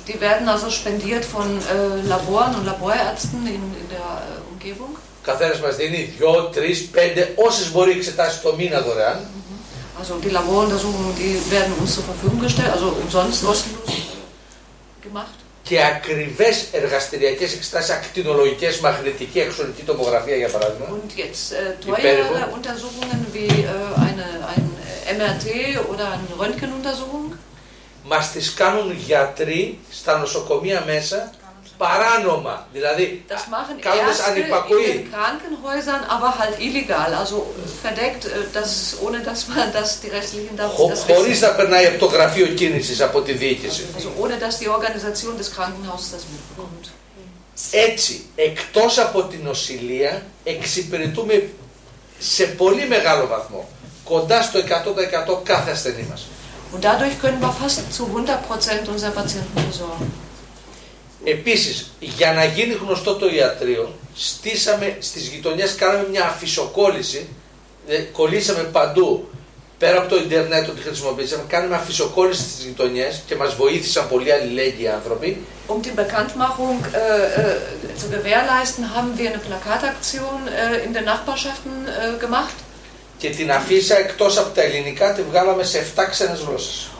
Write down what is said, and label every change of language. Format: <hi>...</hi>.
<de>Die werden also spendiert von Laboren und Laborärzten in der Umgebung.</de> <el>καθένας μας δίνει 2, 3, 5, όσες μπορεί εξετάσει το μήνα δωρεάν.</el> <de>Also die Laboren, also die werden uns zur Verfügung gestellt, also umsonst kostenlos gemacht.</de> <el>Και ακριβές εργαστηριακές εξετάσεις, ακτινολογικές, μαγνητική, εξωτερική τομογραφία για παράδειγμα.</el> <de>Und jetzt teure Untersuchungen wie ein MRT oder eine Röntgenuntersuchung.</de> <el>Μας τις κάνουν γιατροί στα νοσοκομεία μέσα παράνομα, δηλαδή κάνοντας ανυπακοή.</el> <de>In Krankenhäusern, aber halt illegal, also verdeckt, ohne dass man das die restlichen darf.</de> <el>Χωρίς να περνάει από το γραφείο κίνησης, από τη διοίκηση.</el> <de>Also ohne dass die Organisation des Krankenhauses das mitbekommt.</de> <el>Έτσι, εκτός από την νοσηλεία, εξυπηρετούμε σε πολύ μεγάλο βαθμό, κοντά στο 100% κάθε ασθενή μας.</el> <de>Und dadurch können wir fast zu 100% unserer Patienten versorgen.</de> <el>Επίσης, για να γίνει γνωστό το ιατρείο, στήσαμε στις γειτονιές, κάναμε μια αφισοκόλληση, κολλήσαμε παντού, πέρα από το ίντερνετ ότι χρησιμοποιήσαμε, κάναμε αφισοκόλληση στις γειτονιές και μας βοήθησαν πολύ αλληλέγγυοι άνθρωποι.</el> <de>Um die Bekanntmachung zu gewährleisten, haben wir eine Plakataktion in den Nachbarschaften gemacht.</de> <el>Και την αφίσα, εκτός από τα ελληνικά, τη βγάλαμε σε 7 ξένες γλώσσες.</el>